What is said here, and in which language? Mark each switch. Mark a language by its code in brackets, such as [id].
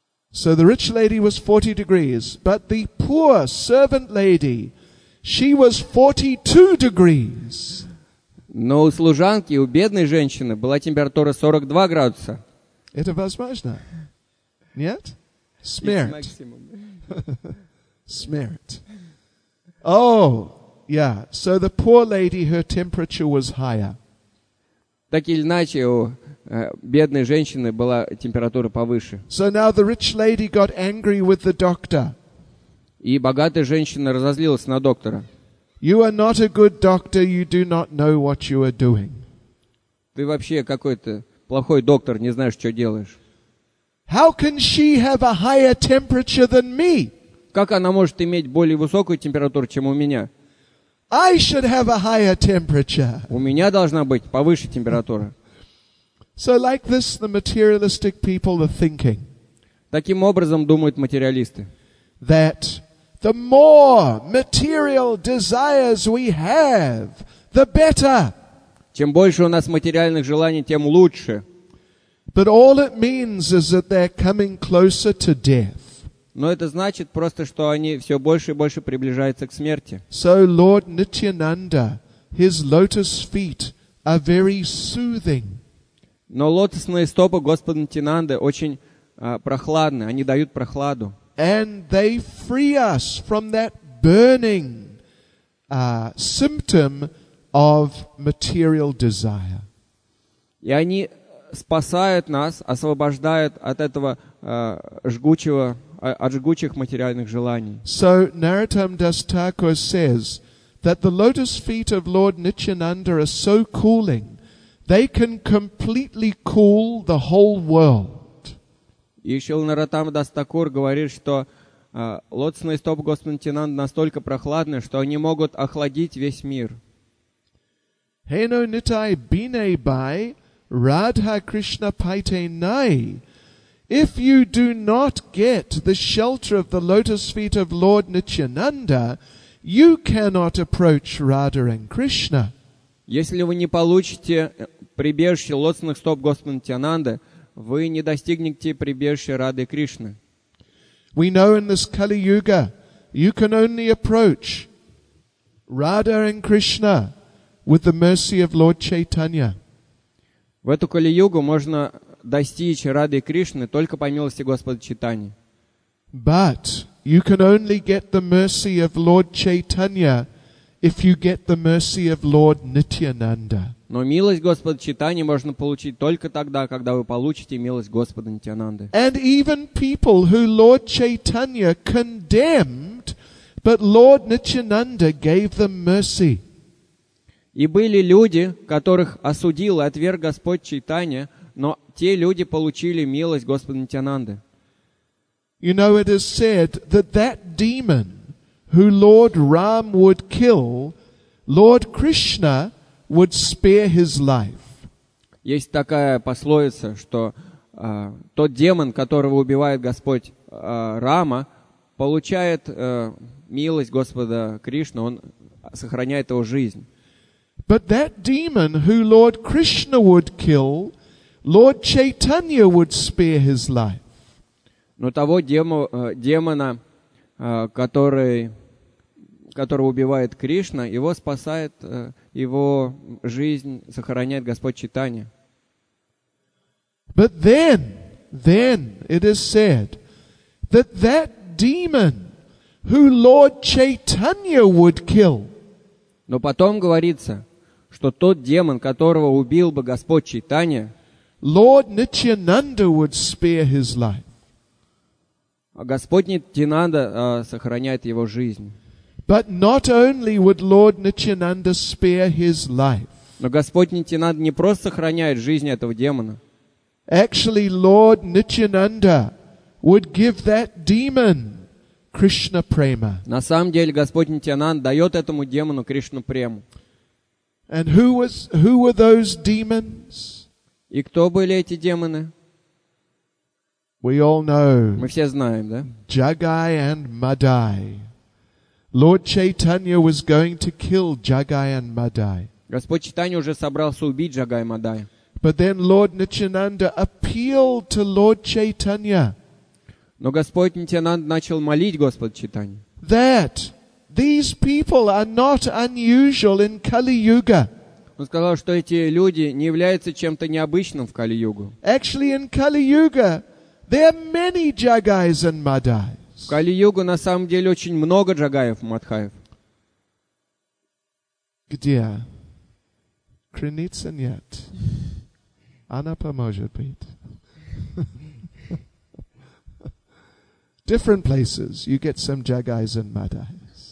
[en] So the rich lady was 40 degrees, but the poor servant lady, she was 42 degrees. [ru] Но у служанки, у бедной женщины, была температура 42 градуса. Это возможно? Нет? Смерть. Смерть. [en] Oh, yeah. So the poor lady, her temperature was higher. [ru] Так или иначе, у бедной женщины была температура повыше. [en] So now the rich lady got angry with the doctor. [ru] И богатая женщина разозлилась на доктора. [en] You are not a good doctor, you do not know what you are doing. [ru] Ты вообще какой-то плохой доктор, не знаешь, что делаешь. [en] How can she have a higher temperature than me? [ru] Как она может иметь более высокую температуру, чем у меня? [en] I should have a higher temperature. [ru] У меня должна быть повыше температура. [en] So like this, the materialistic people are thinking. [ru] Таким образом думают материалисты. [en] That the more material desires we have, the better. [ru] Чем больше у нас материальных желаний, тем лучше. [en] But all it means is that they're coming closer to death. [ru] Но это значит просто, что они все больше и больше приближаются к смерти. [en] So Lord Nityananda, his lotus feet are very soothing. [ru] Но лотосные стопы Господа Нитьянанды очень прохладны, они дают прохладу. [en] And they free us from that burning symptom of material desire. [ru] И они спасают нас, освобождают от этого жгучего, от жгучих материальных желаний. [en] So Narottam Das Thakur says that the lotus feet of Lord Nityananda are so cooling, they can completely cool the whole world. [ru] И Шрила Наратам Дас Такур говорит, что лотосные стопы Господа Нитьянанды настолько прохладны, что они могут охладить весь мир. [bn] Хейно нитай бине бай радха кришна пайте най. [en] If you do not get the shelter of the lotus feet of Lord Nityananda, you cannot approach Radha and Krishna. [ru] Если вы не получите прибежище лотосных стоп Господа Нитьянанды, вы не достигнете прибежища Рады Кришны. [en] We know in this Kali-Yuga, you can only approach Radha and Krishna with the mercy of Lord Chaitanya. [ru] В эту Кали-Югу можно достичь Рады Кришны только по милости Господа Чайтаньи. [en] But you can only get the mercy of Lord Chaitanya if you get the mercy of Lord Nityananda. [ru] Но милость Господа Чайтаньи можно получить только тогда, когда вы получите милость Господа Нитьянанды. [en] And even people who Lord Chaitanya condemned, but Lord Nityananda gave them mercy. [ru] И были люди, которых осудил и отверг Господь Чайтанья, но те люди получили милость Господа Нитьянанды. [en] You know, it is said that that demon who Lord Ram would kill, Lord Krishna would spare his life. [ru] Есть такая пословица, что тот демон, которого убивает Господь Рама, получает милость Господа Кришны, он сохраняет его жизнь. [en] But that demon who Lord Krishna would kill, Lord Chaitanya would spare his life. [ru] Но того демона, которого убивает Кришна, его спасает его жизнь, сохраняет Господь Чайтанья. [en] But then it is said that that demon who Lord Chaitanya would kill. [ru] Но потом говорится, что тот демон, которого убил бы Господь Чайтанья, [en] Lord Nityananda would spare his life. [ru] А Господь Нитьянанда сохраняет его жизнь. [en] But not only would Lord Nityananda spare his life. [ru] Но Господь Нитьянанда не просто сохраняет жизнь этого демона. [en] Actually, Lord Nityananda would give that demon Krishna prema. [ru] На самом деле Господь Нитьянанда дает этому демону Кришну прему. [en] And who were those demons? [ru] И кто были эти демоны? [en] We all know. [ru] Мы все знаем, да? [en] Jagai and Madai. Lord Chaitanya was going to kill Jagai and Madai. [ru] Господь Чайтанья уже собрался убить Джагая и Мадая. [en] But then Lord Nityananda appealed to Lord Chaitanya. [ru] Но Господь Нитьянанда начал молить Господа Чайтанью. [en] That these people are not unusual in Kali Yuga. [ru] Он сказал, что эти люди не являются чем-то необычным в Кали Югу. [en] Actually, in Kali Yuga, there are many Jagais and Madai. [ru] В Кали-Югу на самом деле очень много джагаев, мадхаев. Где? Криница нет. Она поможет быть. [en] Different places you get some jagais and madhais.